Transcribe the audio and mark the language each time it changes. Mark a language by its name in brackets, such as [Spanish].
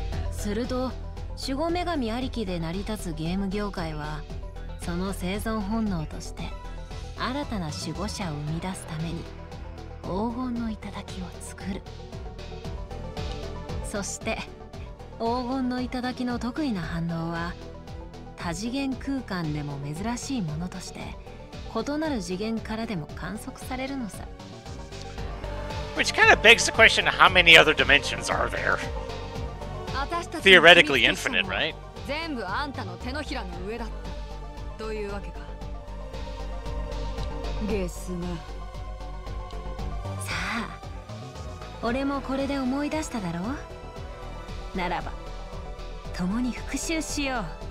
[Japanese] すると守護女神ありきで成り立つゲーム業界は、その生存本能として新たな守護者を生み出すために黄金の頂を作る。そして黄金の頂の特異な反応は、多次元空間でも珍しいものとして異なる次元からでも観測されるのさ。 [English] Which kind of begs the question, how many other dimensions are there? Theoretically infinite, right? [Japanese] 全部あんたの手のひらの上だった。というわけか。ゲスな。さあ、俺もこれで思い出しただろう。ならば、共に復讐しよう。